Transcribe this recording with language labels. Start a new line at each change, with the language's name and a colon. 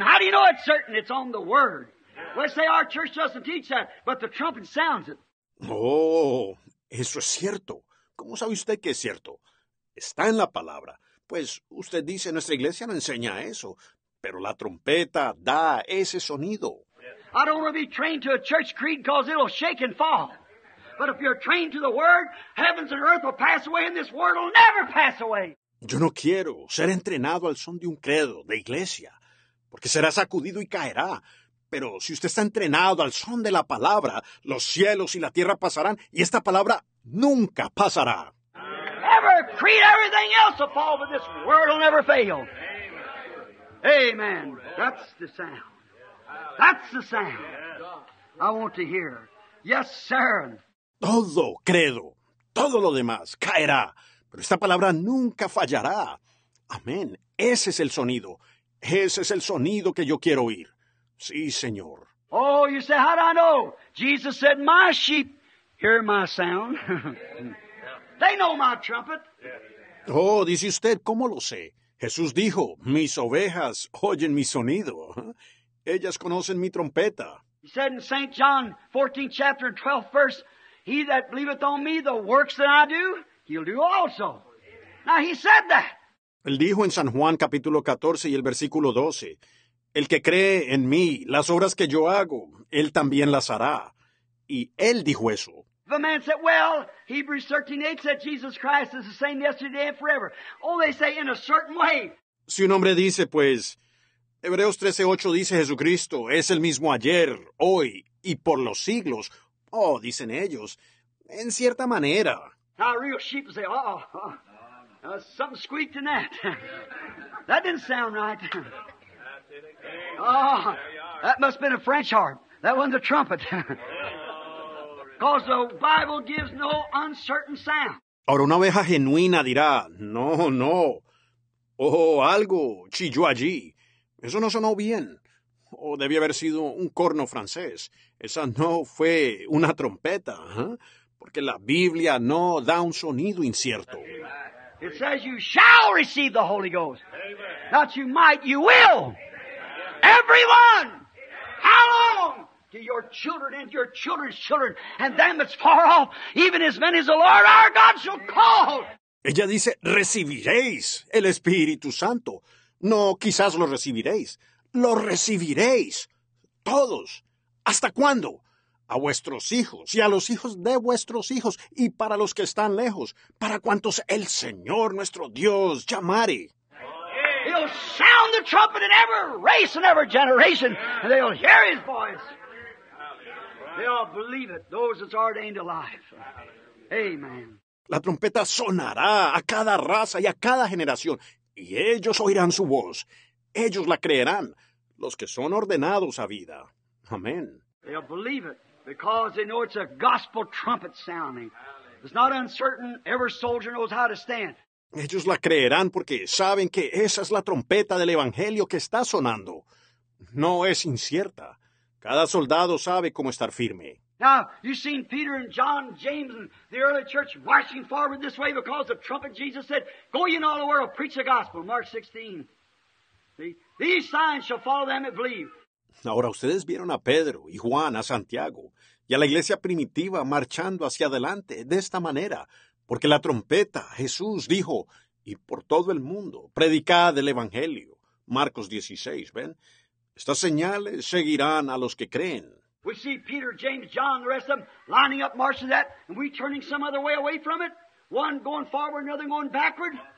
English: How do you know it's certain? It's on the word. We say our church doesn't teach that, but the trumpet sounds it.
Spanish: Oh, eso es cierto. ¿Cómo sabe usted que es cierto? Está en la palabra. Pues usted dice, nuestra iglesia no enseña eso, pero la trompeta da ese sonido.
English: I don't want to be trained to a church creed because it'll shake and fall. But if you're trained to the word, heavens and earth will pass away and this word will never pass away.
Spanish: Yo no quiero ser entrenado al son de un credo de iglesia, porque será sacudido y caerá. Pero si usted está entrenado al son de la palabra, los cielos y la tierra pasarán y esta palabra nunca pasará.
English: Ever creed, everything else will fall, but this word will never fail. Amen. That's the sound. That's the sound I want to hear. Yes, sir.
Spanish: Todo credo, todo lo demás caerá, pero esta palabra nunca fallará. Amén. Ese es el sonido. Ese es el sonido que yo quiero oír. Sí, Señor.
English: Oh, you say, how do I know? Jesus said, my sheep hear my sound. They know my trumpet.
Spanish: Oh, dice usted, ¿cómo lo sé? Jesús dijo, mis ovejas oyen mi sonido. Ellas conocen mi trompeta.
English: He said in St. John 14th chapter and 12th verse, he that believeth on me, the works that I do, he'll do also. Now he said that.
Spanish: Él dijo en San Juan capítulo 14 y el versículo 12, el que cree en mí, las obras que yo hago, él también las hará. Y él dijo eso.
English: The man said, well, Hebrews 13:8 said Jesus Christ is the same yesterday and forever. Oh, they say in a certain way.
Spanish: Si un hombre dice, pues, Hebreos 13:8 dice Jesucristo es el mismo ayer, hoy y por los siglos. Oh, dicen ellos, en cierta manera.
English: Now, real sheep say, oh, something squeaked in that. That didn't sound right. Oh, that must have been a French harp. That wasn't a trumpet. Because the Bible gives no uncertain sound.
Spanish: Ahora una oveja genuina dirá, no, no. Oh, algo chilló allí. Eso no sonó bien. O debía haber sido un corno francés. Esa no fue una trompeta, ¿eh? Porque la Biblia no da un sonido incierto.
English: It says you shall receive the Holy Ghost. Not you might, you will. Everyone! How long? To your children and your children's children, and them that's far off, even as many as the Lord our God shall call.
Spanish: Ella dice, recibiréis el Espíritu Santo. No, quizás lo recibiréis. Lo recibiréis. Todos. ¿Hasta cuándo? A vuestros hijos y a los hijos de vuestros hijos y para los que están lejos, para cuantos el Señor nuestro Dios llamare.
English: He'll sound the trumpet in every race and every generation, and they'll hear his voice. They'll believe it, those that's ordained alive. Amen.
Spanish: La trompeta sonará a cada raza y a cada generación, y ellos oirán su voz. Ellos la creerán, los que son ordenados a vida. Amén.
English: They'll believe it because they know it's a gospel trumpet sounding. It's not uncertain. Every soldier knows how to stand.
Spanish: Ellos la creerán porque saben que esa es la trompeta del Evangelio que está sonando. No es incierta. Cada soldado sabe cómo estar firme.
English: Now, you've seen Peter and John, James, and the early church marching forward this way because the trumpet Jesus said, go ye in all the world, preach the gospel, Mark 16. See? These signs shall follow them that believe.
Spanish: Ahora, ustedes vieron a Pedro y Juan, a Santiago, y a la iglesia primitiva marchando hacia adelante de esta manera, porque la trompeta, Jesús, dijo, y por todo el mundo, predicad el evangelio, Marcos 16, ¿ven? Estas señales seguirán a los que creen.
English: We see Peter, James, John, the rest of them lining up, marching that, and we turning some other way away from it. One going forward, another going backward.